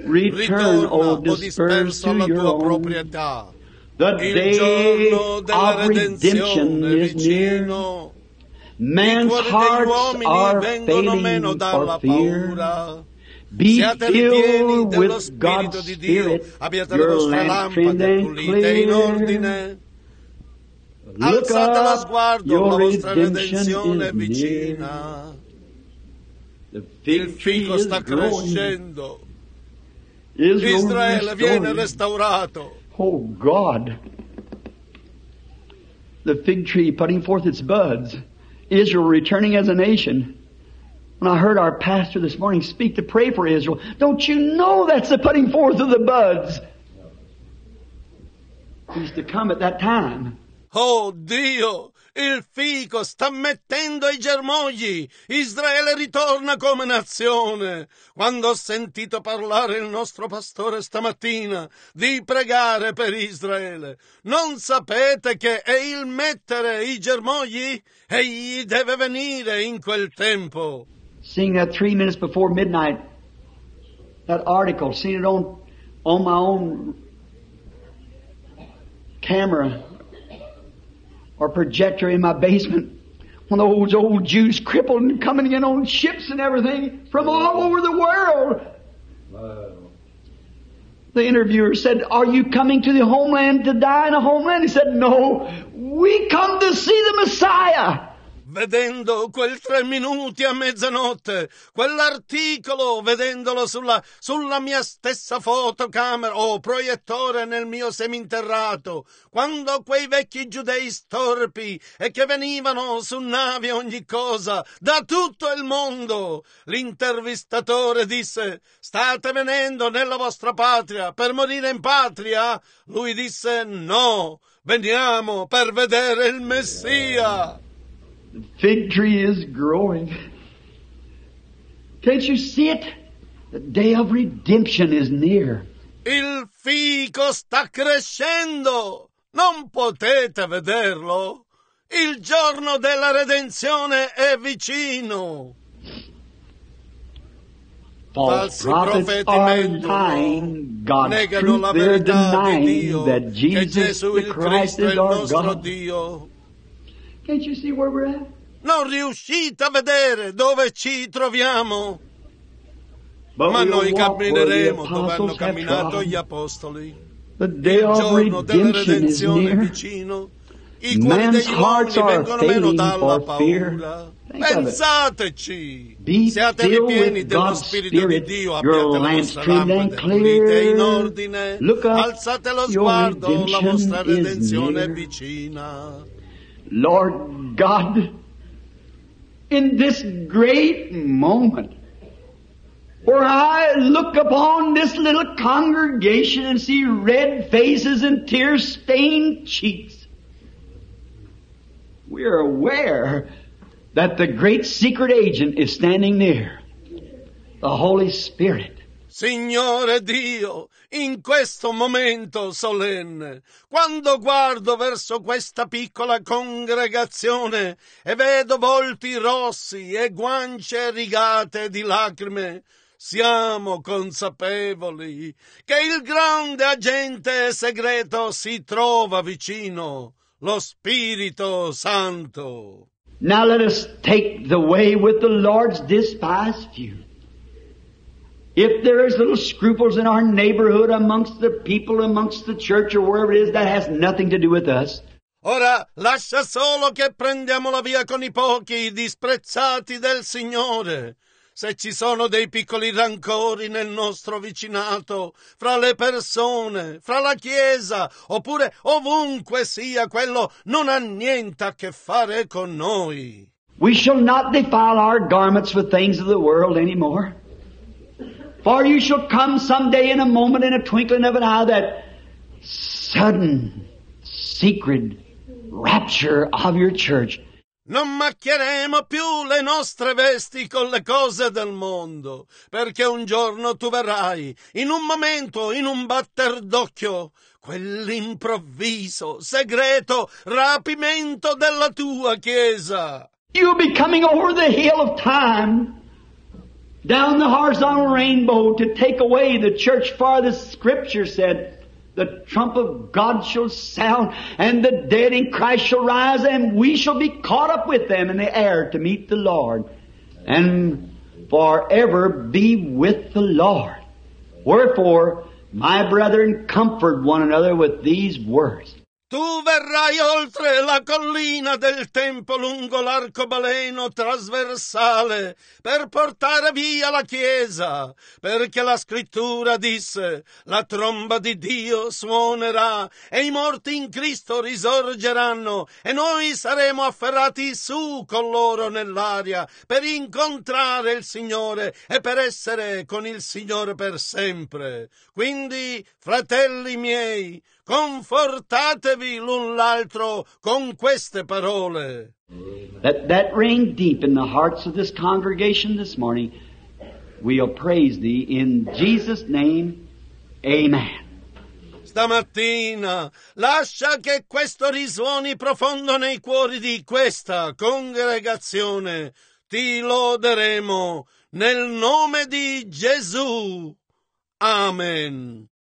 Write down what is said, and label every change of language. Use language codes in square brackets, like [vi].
[en] Return, O disperse, to your own. The day of redemption is near. Man's hearts are failing for fear. Be filled with God's Spirit. Your lamp trimmed and clear. Look [it] alzate lo sguardo, [en] your [it] la vostra [en] redemption [it] redenzione è vicina. Il fico sta crescendo. Israele viene restaurato. [en] Oh God. The fig tree putting forth its buds. Israel returning as a nation. When I heard our pastor this morning speak to pray for Israel, don't you know that's the putting forth of the buds? He's to come at that time. [it] Oh Dio, il fico sta mettendo i germogli. Israele ritorna come nazione. Quando ho sentito parlare il nostro pastore stamattina di pregare per Israele, non sapete che è il mettere i germogli? Egli deve venire in quel tempo. [en] Seeing that 3 minutes before midnight, that article, seeing it on my own camera, or projector in my basement, one of those old Jews crippled and coming in on ships and everything from all over the world. The interviewer said, are you coming to the homeland to die in a homeland? He said, no, we come to see the Messiah. [it] Vedendo quel 3 minuti a mezzanotte, quell'articolo, vedendolo sulla mia stessa fotocamera o proiettore nel mio seminterrato, quando quei vecchi giudei storpi e che venivano su navi ogni cosa, da tutto il mondo, l'intervistatore disse, state venendo nella vostra patria per morire in patria? Lui disse, no, veniamo per vedere il Messia. [en] The fig tree is growing. Can't you see it? The day of redemption is near. [it] Il fico sta crescendo. Non potete vederlo? Il giorno della redenzione è vicino. [en] False prophets are lying. God's truth, they're denying that Jesus the Christ is our God. Can't you see where we're at? [it] Non riuscite a vedere dove ci troviamo. Ma noi cammineremo dove hanno camminato gli apostoli. Il giorno della redenzione è vicino. I cuori degli uomini vengono meno dalla paura. Pensateci. Siate ripieni dello Spirito di Dio. Abbiate la vostra lampada pulita in ordine. Alzate lo sguardo. La vostra redenzione è vicina. [en] Lord God, in this great moment where I look upon this little congregation and see red faces and tear-stained cheeks, we are aware that the great secret agent is standing near, the Holy Spirit. [it] Signore Dio, in questo momento solenne, quando guardo verso questa piccola congregazione e vedo volti rossi e guance rigate di lacrime, siamo consapevoli che il grande agente segreto si trova vicino, lo Spirito Santo. [en] Now let us take the way with the Lord's despised few. If there is little scruples in our neighborhood, amongst the people, amongst the church, or wherever it is, that has nothing to do with us. [it] Ora, lascia solo che prendiamo la via con i pochi, i disprezzati del Signore. se ci sono dei piccoli rancori nel nostro vicinato, fra le persone, fra la Chiesa, oppure ovunque sia, quello non ha niente a che fare con noi. [en] We shall not defile our garments with things of the world anymore. For you shall come someday in a moment, in a twinkling of an eye, that sudden, secret rapture of your church. [it] Non macchieremo più le nostre vesti con le cose del mondo, perché un giorno tu verrai, in un momento, in un batter d'occhio, quell'improvviso, segreto rapimento della tua Chiesa. [en] You'll be coming over the hill of time, down the horizontal rainbow, to take away the church, for the scripture said, the trump of God shall sound, and the dead in Christ shall rise, and we shall be caught up with them in the air to meet the Lord, and forever be with the Lord. Wherefore, my brethren, comfort one another with these words. [it] Tu verrai oltre la collina del tempo lungo l'arcobaleno trasversale per portare via la Chiesa, perché la Scrittura disse: la tromba di Dio suonerà e i morti in Cristo risorgeranno e noi saremo afferrati su con loro nell'aria per incontrare il Signore e per essere con il Signore per sempre. Quindi, fratelli miei, confortatevi l'un l'altro con queste parole. [en] That ring deep in the hearts of this congregation this morning. We'll praise thee in Jesus' name. Amen. [it] Stamattina lascia che questo risuoni profondo nei cuori di questa congregazione. Ti loderemo nel nome di Gesù. Amen.